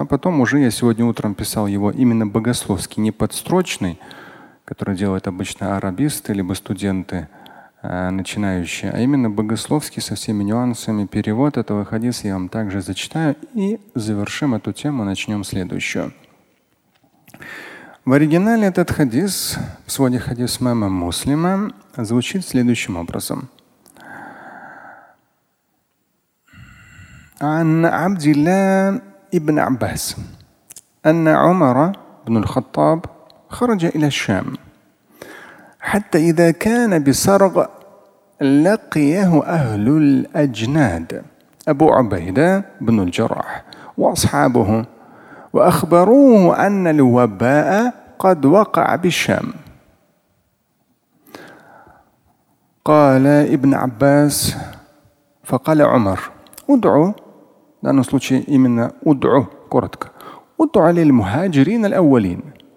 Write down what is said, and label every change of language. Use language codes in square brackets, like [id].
[ru] А потом уже я сегодня утром писал его именно богословский, не подстрочный, который делают обычно арабисты либо студенты начинающие, а именно богословский со всеми нюансами. Перевод этого хадиса я вам также зачитаю и завершим эту тему, начнем следующую. В оригинале этот хадис, в своде хадис имама Муслима, звучит следующим образом. [ar] عن عبد الله ابن عباس أن عمر بن الخطاب خرج إلى الشام حتى إذا كان بسرغ لقيه أهل الأجناد أبو عبيدة بن الجراح وأصحابه وأخبروه أن الوباء قد وقع بالشام قال ابن عباس فقال عمر ادعو [ru] в данном случае именно удъу, коротко. [ar] Удъу лил мухаджирин аль-аввалин.